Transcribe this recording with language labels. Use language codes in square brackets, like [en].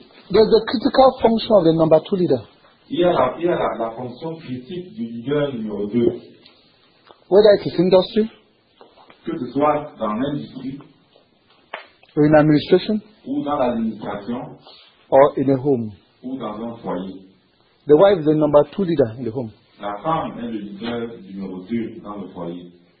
[en] There's a critical function of the number two leader. [fr] Il y a la fonction critique du leader numéro deux. [en] Whether it is industry, [fr] que ce soit dans l'industrie, [en] or in administration, [fr] ou dans l'administration, [en] or in a home, [fr] ou dans un foyer. [en] The wife is the number two leader in the home. [fr] La femme est le leader numéro deux dans le foyer.